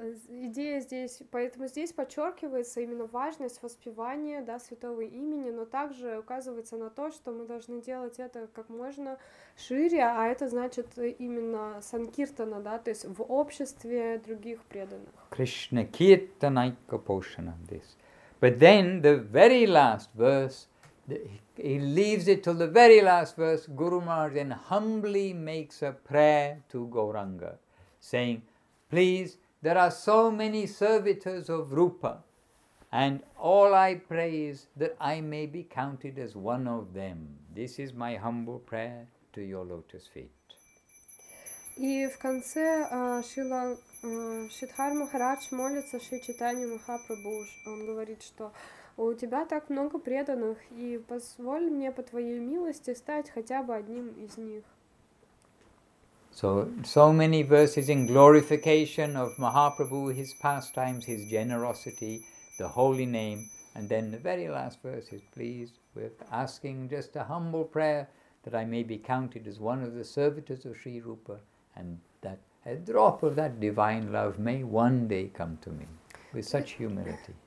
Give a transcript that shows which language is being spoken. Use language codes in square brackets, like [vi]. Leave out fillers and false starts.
[ru] Идея здесь, поэтому здесь подчеркивается именно важность воспевания, да, святого имени, но также указывается на то, что мы должны делать это как можно шире, а это значит именно санкиртана, да, то есть в обществе других преданных. [sa] Krishna kirtanaika poshana, this. [en] But then the very last verse, he leaves it till the very last verse. Guru Maharaj then humbly makes a prayer to Gauranga, saying, please, there are so many servitors of Rupa, and all I pray is that I may be counted as one of them. This is my humble prayer to your lotus feet. [ru] И в конце Шрила Шридхар Махарадж молится Шри Чайтанья Махапрабху. Он говорит, что у тебя так много преданных, и позволь мне по твоей милости стать хотя бы одним из них. [en] So many verses in glorification of Mahaprabhu, his pastimes, his generosity, the holy name, and then the very last verse is pleased with asking just a humble prayer that I may be counted as one of the servitors of Sri Rupa, and that a drop of that divine love may one day come to me with such humility.